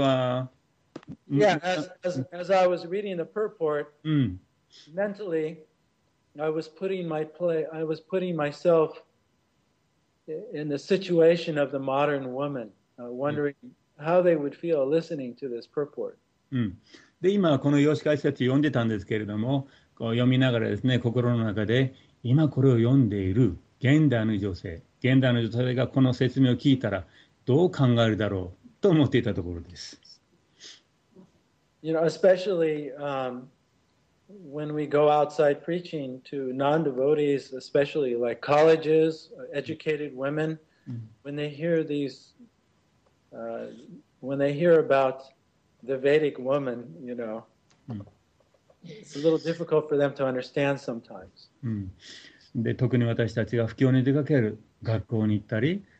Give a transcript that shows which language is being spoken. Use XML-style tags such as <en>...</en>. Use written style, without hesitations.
<en>as I was reading the purport, mentally, I was putting myself in the situation of the modern woman, wondering how they would feel listening to this purport.</en> <ja>で今この用紙解説読んでたんですけれども、こう読みながらですね、心の中で今これを読んでいる現代の女性、現代の女性がこの説明を聞いたら。どう考えるだろうと思っていたところです。</ja> <en>You know, especially when we go outside preaching to non-devotees, especially like colleges, educated women, when they hear these, when they hear about the Vedic woman, you know, it's a little difficult for them to understand sometimes.</en> <ja>で、特に私たちが布教に出かける学校に行ったり。</ja>